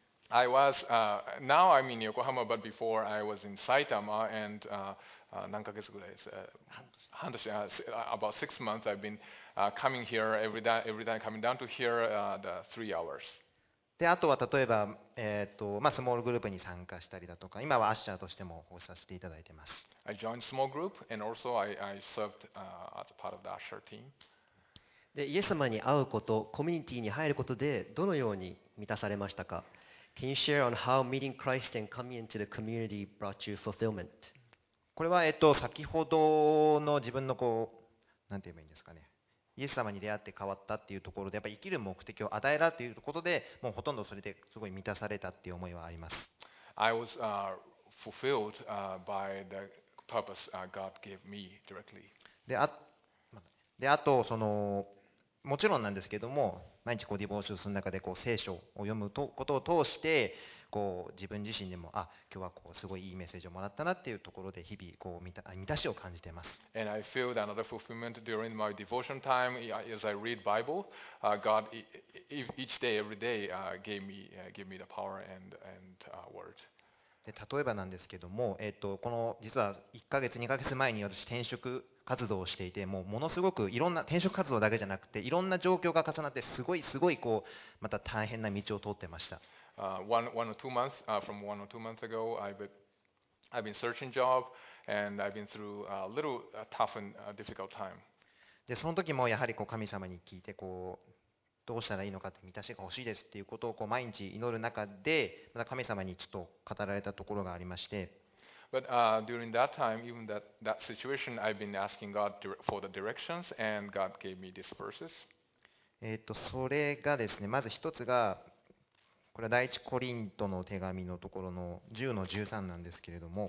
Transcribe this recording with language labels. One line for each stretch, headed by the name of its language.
English: I was, now I'm in Yokohama, but before I was in Saitama, and
Japanese: 何ヶ月ぐらいです、半年、
English: about 6 months I've been coming here, every time coming down to here, the 3 hours.
Japanese: で、あとは例えば、まあ、スモールグループに参加したりだとか、今はアッシャーとしてもこうさせていただいてます。
English: I joined small group and also I served as part of the Asher team.
Japanese: で、イエス様に会うこと、コミュニティに入ることでどのように満たされましたか？
English: Can you share on how meeting Christ and coming into the community brought you fulfillment?
Japanese: これは先ほどの自分のこう、なんて言えばいいんですかね。イエス様に出会って変わったっていうところで、やっぱり生きる目的を与えられたということで、もうほとんどそれですごい満たされたっていう思いはあります。
English: I was fulfilled by the purpose God gave me directly.
Japanese: であとそのもちろんなんですけども、毎日こうディボーションする中でこう聖書を読むことを通して、こう自分自身でも、あ、今日はこうすごいいいメッセージをもらったなっていうところで、日々こう満たしを感じています。
English: And I feel another fulfillment during my devotion time as I read Bible. God each day, every day gave me the power and word.
Japanese: で、例えばなんですけども、この実は1ヶ月、2ヶ月前に私転職活動をしていて、もうものすごくいろんな転職活動だけじゃなくて、いろんな状況が重なって、すごいすごいこうまた大変な道を通ってました。
English: 1 or 2 months ago, I've been searching job and I've been through a little tough and difficult time.
Japanese: で、その時もやはりこう神様に聞いて、こうどうしたらいいのかって、満たしが欲しいですっていうことをこう毎日祈る中で、また神様にちょっと語られたところがありまして。
English: But during that time, even that situation, I've been asking God for the directions, and God gave me these verses.
Japanese: それがですね、まず一つが、これは第一コリントの手紙のところの10の13なんですけれども。